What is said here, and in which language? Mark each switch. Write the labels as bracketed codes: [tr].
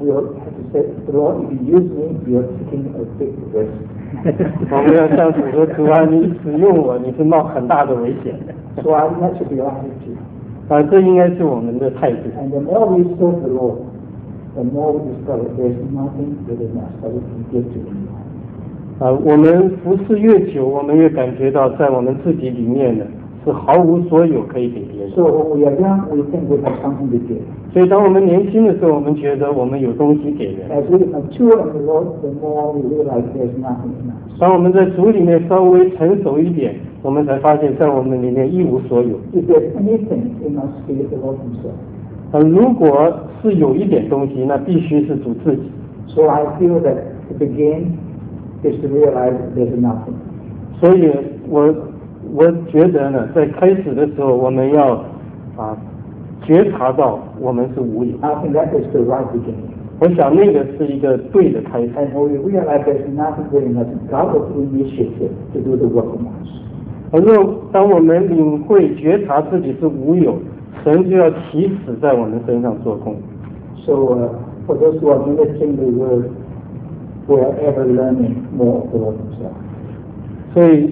[en] you have to say, Lord, if you use me, you are taking a big risk. [zh] 我们要向主说主啊你使用我你是冒很大的危险 [en] So I must be your attitude. [zh] 这应该是我们的态度 [en] And the more we serve the Lord, the more we discover there is nothing within us that we can give to anyone. [zh] 我们服侍越久, 我们越感觉到在我们自己里面的 是毫无所有可以给别人。 [en] So when we are young, we think we have something to give. [zh] 所以当我们年轻的时候, 我们觉得我们有东西给人。 [en] As we mature in the Lord, the more we realize there's nothing in us. [zh] 当我们在主里面稍微成熟一点, 我们才发现在我们里面一无所有。 [en] If there's anything, we must give the Lord himself. [zh] 如果是有一点东西, 那必须是主自己。 [en] So I feel that to begin is to realize there's nothing. [zh] 所以我觉得呢，在开始的时候，我们要觉察到我们是无有。 [en] I think that is the right beginning. [zh] 我想那个是一个对的开始。 [en] And when we realize there's nothing within us, God will be initiated to do the work in us. [zh] 而若当我们领会觉察自己是无有，神就要起始在我们身上做工。 [en] So for those who are ministering the word, we are ever learning more of the Lord himself.